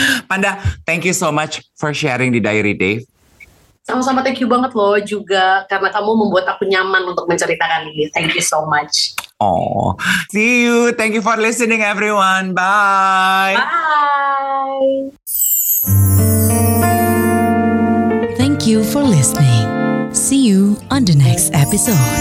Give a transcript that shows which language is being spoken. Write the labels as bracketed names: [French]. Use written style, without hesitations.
[English] Panda, thank you so much for sharing di Diary Dave. [Indonesian] Sama-sama, [English] thank you [Indonesian] banget loh juga karena kamu membuat aku nyaman untuk menceritakan ini. [English] Thank you so much. Oh, see you. Thank you for listening everyone. Bye. Bye. Thank you for listening. See you on the next episode.